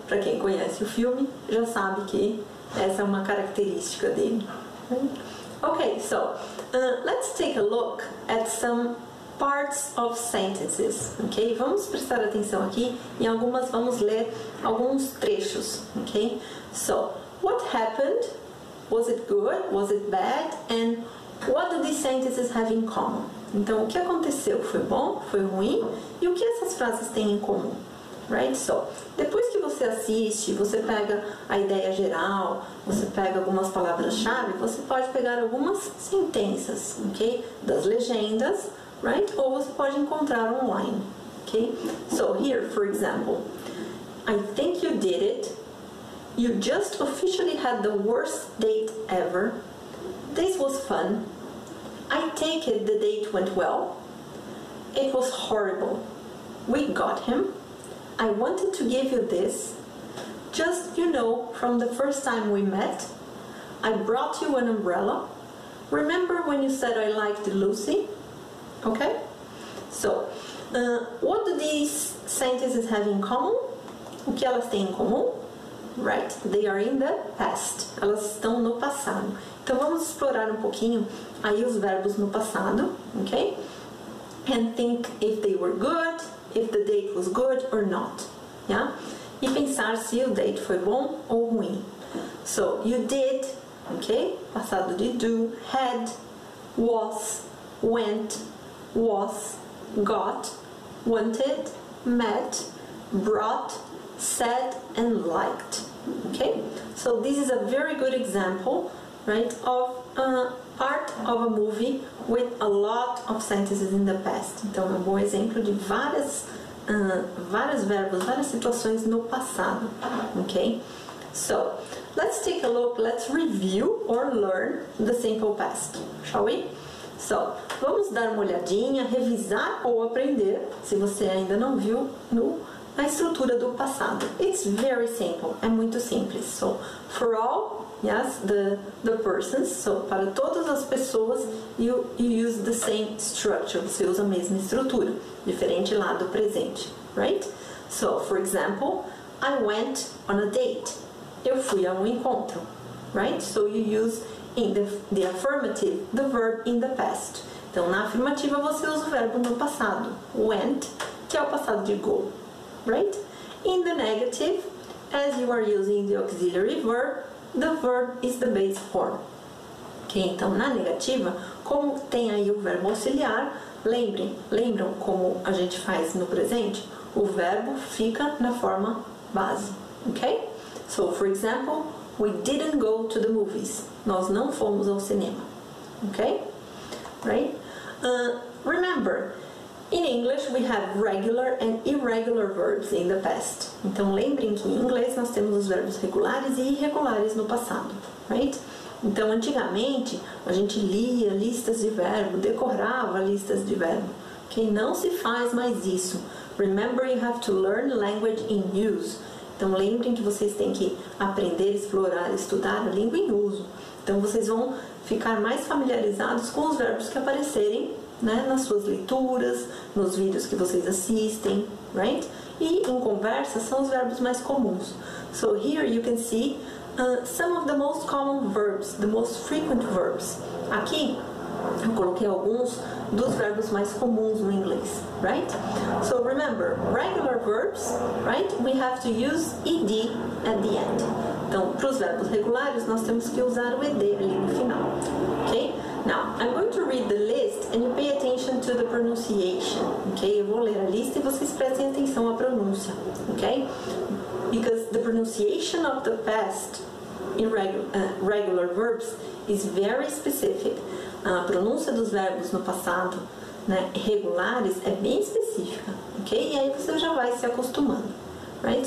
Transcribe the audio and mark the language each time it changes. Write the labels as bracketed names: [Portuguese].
[Portuguese] Para quem conhece o filme, já sabe que essa é uma característica dele. [English] Okay, so let's take a look at some parts of sentences, ok? [Portuguese] Vamos prestar atenção aqui em algumas, vamos ler alguns trechos, ok? [English] So, what happened? Was it good? Was it bad? And what do these sentences have in common? [Portuguese] Então, o que aconteceu? Foi bom? Foi ruim? E o que essas frases têm em comum? [English] Right? So, [Portuguese] depois que você assiste, você pega a ideia geral, você pega algumas palavras-chave, você pode pegar algumas sentenças, ok? Das legendas, [English] right? [Portuguese] Ou você pode encontrar online, ok? [English] So, here, for example, I think you did it. You just officially had the worst date ever. This was fun. I take it the date went well. It was horrible. We got him. I wanted to give you this. Just, you know, from the first time we met, I brought you an umbrella. Remember when you said I liked Lucy? Okay? So, what do these sentences have in common? [Portuguese] O que elas têm em comum? [English] Right, they are in the past. [Portuguese] Elas estão no passado. Então, vamos explorar um pouquinho aí os verbos no passado, ok? [English] And think if they were good, if the date was good or not, yeah? [Portuguese] E pensar se o date foi bom ou ruim. [English] So, you did, ok? [Portuguese] Passado de [English] do, had, was, went, was, got, wanted, met, brought, said, and liked. Okay, so this is a very good example, right, of part of a movie with a lot of sentences in the past. [Portuguese] Então, é um bom exemplo de vários verbos, várias situações no passado. [English] Okay, so let's take a look, let's review or learn the simple past, shall we? [Portuguese] So, vamos dar uma olhadinha, revisar ou aprender, se você ainda não viu, no a estrutura do passado. [English] It's very simple. [Portuguese] É muito simples. [English] So, for all, yes, the persons. So, [Portuguese] para todas as pessoas, [English] you use the same structure. [Portuguese] Você usa a mesma estrutura. Diferente lá do presente. [English] Right? So, for example, I went on a date. [Portuguese] Eu fui a um encontro. Right? [English] So, you use in the affirmative, the verb in the past. [Portuguese] Então, na afirmativa, você usa o verbo no passado. Went, que é o passado de go. Right? [English] In the negative, as you are using the auxiliary verb, the verb is the base form. [Portuguese] Okay, então, na negativa, como tem aí o verbo auxiliar, lembram como a gente faz no presente? O verbo fica na forma base. Okay? [English] So, for example, we didn't go to the movies. [Portuguese] Nós não fomos ao cinema. [English] Okay? Right? Remember, in English, we have regular and irregular verbs in the past. [Portuguese] Então, lembrem que em inglês nós temos os verbos regulares e irregulares no passado, right? Então, antigamente, a gente lia listas de verbo, decorava listas de verbo. Okay? Não se faz mais isso. [English] Remember, you have to learn language in use. [Portuguese] Então, lembrem que vocês têm que aprender, explorar, estudar a língua em uso. Então, vocês vão ficar mais familiarizados com os verbos que aparecerem, né, nas suas leituras, nos vídeos que vocês assistem, right? E em conversa são os verbos mais comuns. [English] So here you can see some of the most common verbs, the most frequent verbs. [Portuguese] Aqui eu coloquei alguns dos verbos mais comuns no inglês, right? [English] So remember, regular verbs, right? We have to use ed at the end. [Portuguese] Então, para os verbos regulares nós temos que usar o ed ali no final, ok? [English] Now, I'm going to read the list and you pay attention to the pronunciation, okay? [Portuguese] Eu vou ler a lista e vocês prestem atenção à pronúncia, okay? [English] Because the pronunciation of the past regular verbs is very specific. [Portuguese] A pronúncia dos verbos no passado, né, regulares é bem específica, okay? E aí você já vai se acostumando, right?